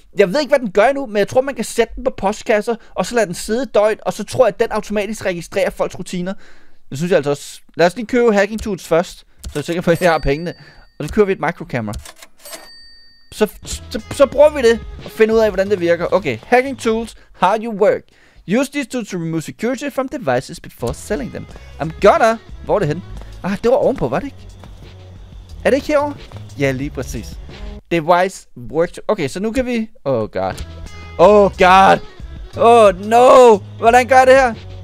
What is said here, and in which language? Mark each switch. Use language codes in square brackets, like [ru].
[da] Jeg ved ikke, hvad den gør nu, men jeg tror, man kan sætte den på postkasser, og så lade den sidde døgn, og så tror jeg, at den automatisk registrerer folks rutiner. Det synes jeg altså også. Lad os lige købe hacking tools først, så jeg er sikker på, at jeg har pengene. Og så køber vi et micro camera. Så bruger vi det og finder ud af, hvordan det virker. [en] Okay, hacking tools, how you work. Use these tools to remove security from devices before selling them. I'm gonna... [da] Hvor er det henne? Det var ovenpå, var det ikke? Er det ikke herovre? Ja, lige præcis. [en] Device worked... [da] Okay, så nu kan vi... [en] Oh god! Oh no! [da] Hvordan gør jeg det her?